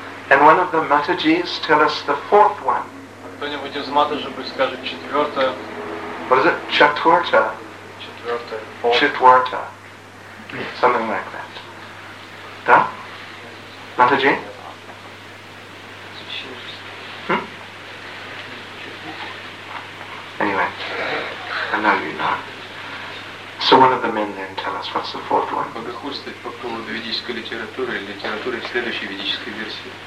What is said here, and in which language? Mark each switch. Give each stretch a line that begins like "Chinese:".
English: And one of the Matajis tell us the fourth one.
Russian: Кто-нибудь из Матаджи пусть скажет четвертое.
English: What is it? Chaturta. Chaturta. Something like that. Да? Матаджи? Anyway, I know you know. So one of the men then tell us what's the fourth one.
Russian: Богохульство по поводу ведической литературы или литературы следующей ведической версии.